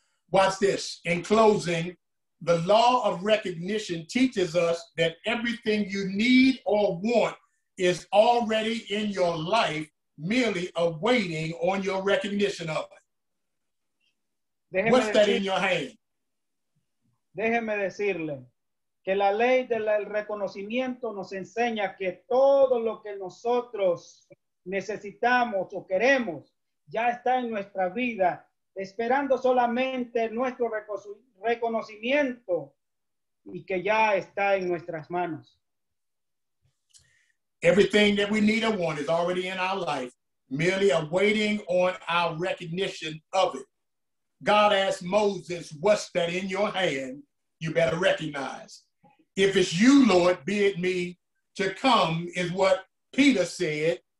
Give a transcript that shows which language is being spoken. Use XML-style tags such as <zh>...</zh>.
<en>Watch this. In closing, the law of recognition teaches us that everything you need or want is already in your life, merely awaiting on your recognition of it.</en> <es>Déjeme</es> <en>What's</en> <es>decir,</es> <en>that in your hand?</en> <es>Déjeme decirle que la ley del reconocimiento nos enseña que todo lo que nosotros necesitamos o queremos ya está en nuestra vida, esperando solamente nuestro reconocimiento y que ya está en nuestras manos.</es> <en>Everything that we need or want is already in our life, merely awaiting on our recognition of it. God asked Moses, what's that in your hand? You better recognize. If it's you, Lord, bid me to come, is what Peter said.</en>